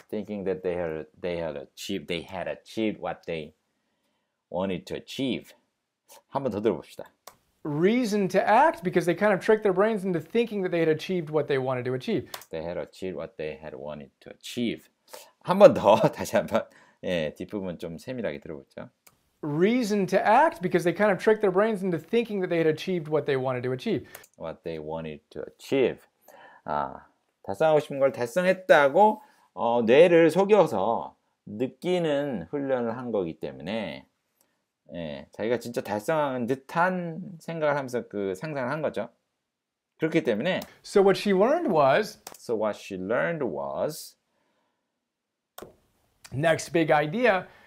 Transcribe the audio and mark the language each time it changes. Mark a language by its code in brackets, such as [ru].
[en] Thinking that they had achieved what they wanted to achieve. [ko] 한 번 더 들어봅시다. [en] Reason to act because they kind of tricked their brains into thinking that they had achieved what they wanted to achieve. They had achieved what they had wanted to achieve. [ko] 한 번 더, 다시 한 번. 예, 뒷부분 좀 세밀하게 들어보죠. [en] Reason to act because they kind of tricked their brains into thinking that they had achieved what they wanted to achieve. What they wanted to achieve. [ko] 아, 달성하고 싶은 걸 달성했다고 뇌를 속여서 느끼는 훈련을 한 거기 때문에 예, 자기가 진짜 달성한 듯한 생각을 하면서 그 상상을 한 거죠. 그렇기 때문에 [en] So what she learned was Next big idea.